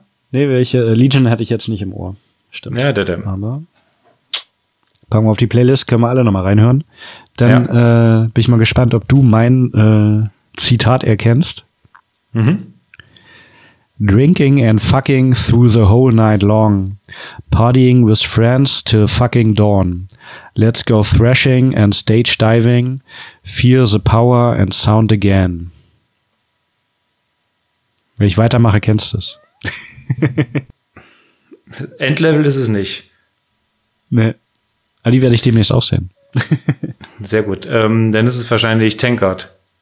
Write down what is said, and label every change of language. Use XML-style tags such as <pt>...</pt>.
<de>Nee, welche Legion hatte ich jetzt nicht im Ohr. Stimmt. Ja, der. Aber packen wir auf die Playlist, können wir alle nochmal reinhören. Dann bin ich mal gespannt, ob du mein Zitat erkennst. Mhm.</de> <en>Drinking and fucking through the whole night long. Partying with friends till fucking dawn. Let's go thrashing and stage diving. Feel the power and sound again.</en> <de>Wenn ich weitermache, kennst du es. Endlevel ist es nicht. Nee. Aber die werde ich demnächst auch sehen. Sehr gut. Dann ist es wahrscheinlich Tankard.</de>